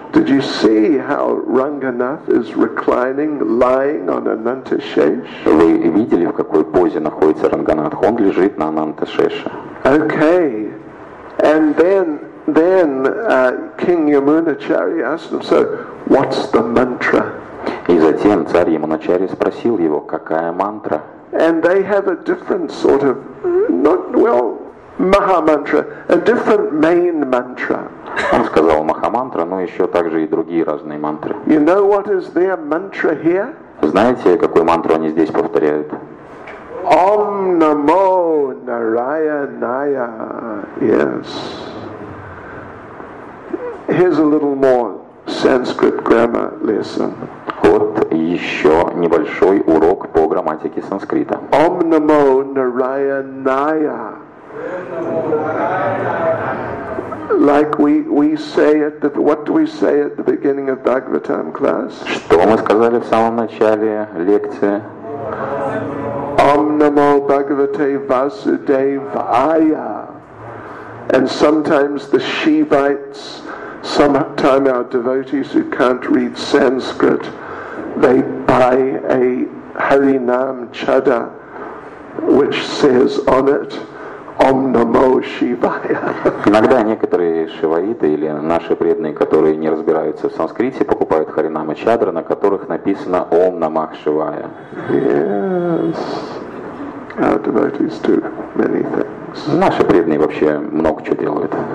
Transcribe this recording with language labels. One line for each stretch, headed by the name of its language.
English: Did you see how Ranganath is reclining, lying on Anantashesh?
Russian: Вы видели, в какой позе находится Ранганатх? Он лежит на Ананташеше.
English: Okay. And then King Yamunacharya asked him, so what's the mantra?
Russian: И затем царь Yamunacharya спросил его, какая мантра?
English: And they have a different sort of, not well, Maha mantra, a different main mantra.
Russian: Он сказал Маха мантра, но еще также и другие разные мантры.
English: You know what is their mantra here?
Russian: Знаете, какую мантру они здесь повторяют?
Sanskrit: Om Namo Narayanaya.
English: Yes. Here's a little more Sanskrit grammar lesson.
Russian: Вот еще небольшой урок по грамматике санскрита.
Sanskrit: Om Namo Narayanaya.
English: Like we say at the, what do we say at the beginning of Bhagavatam class?
Russian: Что мы сказали в самом начале лекции?
Sanskrit: Om Namo Bhagavate Vasudevaya.
English: And sometimes the Shivites, sometimes our devotees who can't read Sanskrit, they buy a Harinam Chada which says on it
Sanskrit: Om Namo Shivaya.
Russian: Иногда некоторые шиваиты или наши преданные, которые не разбираются в санскрите, покупают харинамы чадры, на которых написано
Sanskrit: Om Namah Shivaya.
English: Yes. Our devotees do many things.
Russian: Наши преданные вообще много чего делают.